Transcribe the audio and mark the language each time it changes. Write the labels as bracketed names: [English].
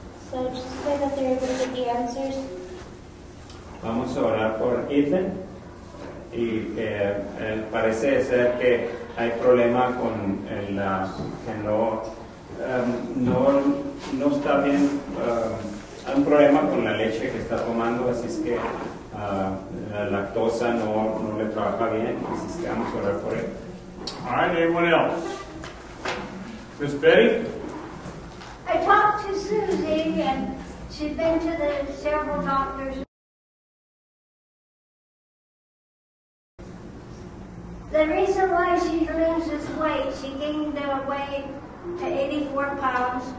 [English] So just pray that they're able to get the answers. [Spanish] Vamos a orar por Ethan. Y que él parece ser que hay problema con el que no está bien. Hay un problema con la leche que está tomando, así es que la lactosa no le trabaja bien. Así es que vamos a orar por él. [English] All right, anyone else? Miss Betty? I talked to Susie, and she's been to the several doctors. The reason why she loses weight, she gained the weight to 84 pounds.